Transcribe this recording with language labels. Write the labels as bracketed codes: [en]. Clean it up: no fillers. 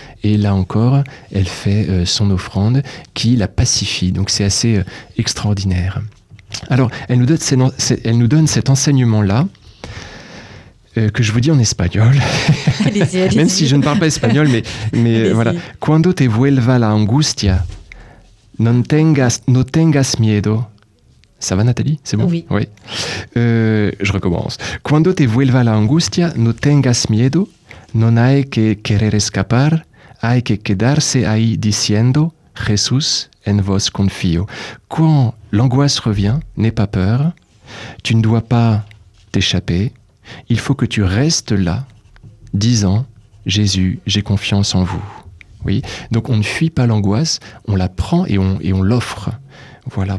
[fr] Et là encore, elle fait son offrande qui la pacifie, donc c'est assez extraordinaire. Alors elle nous donne cet enseignement-là. Que je vous dis en espagnol, allez-y. Même si je ne parle pas espagnol, mais voilà. [es] Cuando te vuelva la angustia, no tengas miedo. [fr] Ça va, Nathalie? C'est bon? Oui. Oui. Je recommence. [es] Cuando te vuelva la angustia, no tengas miedo, no hay que querer escapar, hay que quedarse ahí diciendo, Jesús en vos confío. [fr] Quand l'angoisse revient, n'aie pas peur, tu ne dois pas t'échapper. Il faut que tu restes là, disant « Jésus, j'ai confiance en vous ». Oui. Donc on ne fuit pas l'angoisse, on la prend et on l'offre. Voilà.